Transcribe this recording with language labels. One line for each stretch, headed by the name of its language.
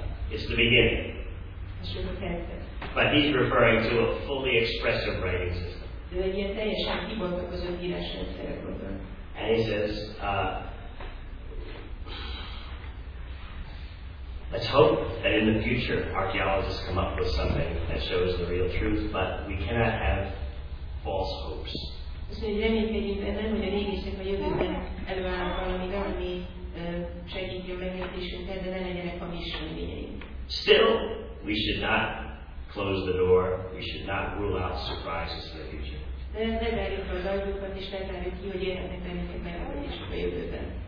English: It's the beginning. But he's referring to a fully expressive writing system. And he says, let's hope that in the future archaeologists come up with something that shows the real truth, but we cannot have false hopes.
Hungarian: Azt mondja, reménykedjünk benne, hogy a régészek a jövőben előállnak valami, ami segíti a megértésünket, de ne legyenek hamis reményeink.
English: Still, we should not close the door, we should not rule out surprises in the future.
Hungarian: De ne verjük az ajtókat, és ne verjük ki, hogy érhetnek bennünket meglepetések a jövőben.